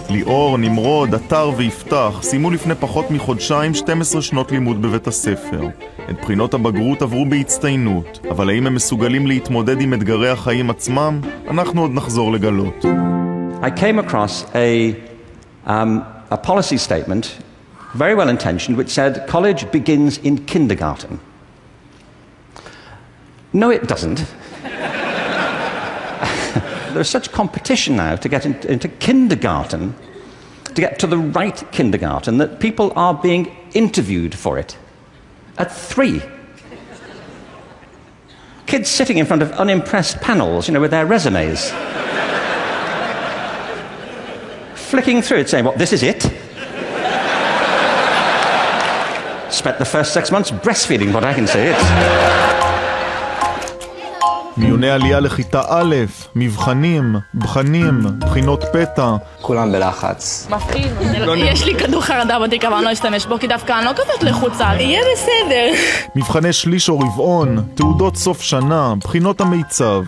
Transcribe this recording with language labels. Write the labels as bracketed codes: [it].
[he] ליאור, נמרוד, אתר ויפתח סיימו לפני פחות מחודשיים 12 שנות לימוד בבית הספר. את בחינות הבגרות עברו בהצטיינות, אבל האם הם מסוגלים להתמודד עם אתגרי החיים עצמם? אנחנו עוד נחזור לגלות. [en] I came across a policy statement very well intentioned which said college begins in kindergarten. No it doesn't. There's such competition now to get into kindergarten, to get to the right kindergarten, that people are being interviewed for it at 3. Kids sitting in front of unimpressed panels, you know, with their resumes. Flicking through it, saying, well, this is it. Spent the first 6 months breastfeeding, but I can say it. [he] מיוני עלייה לכיתה א', מבחנים, בחנים, בחינות פתע. כולם בלחץ. מפחיד. יש לי כדור חרדה בתיק, אבל אני לא אשתמש בו, כי דווקא אני לא כזאת לחוצה. יהיה בסדר. מבחני שליש או רבעון, תעודות סוף שנה, בחינות המיצב.